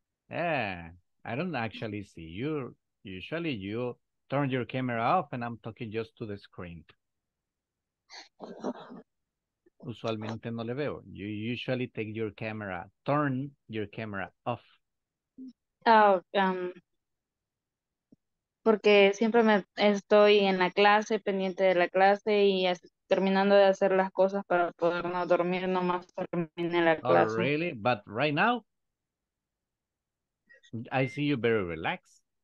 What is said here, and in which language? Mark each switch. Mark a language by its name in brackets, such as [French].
[English] Yeah, I don't actually see you. Usually you turn your camera off and I'm talking just to the screen. [Spanish] Usualmente no le veo. [English] You usually take your camera, turn your camera off. [Spanish] Oh, porque siempre me estoy en la clase, pendiente de la clase y así. Terminando de hacer las cosas para poder no dormir, nomás terminé la clase. [English] Oh, really? But right now, I see you very relaxed.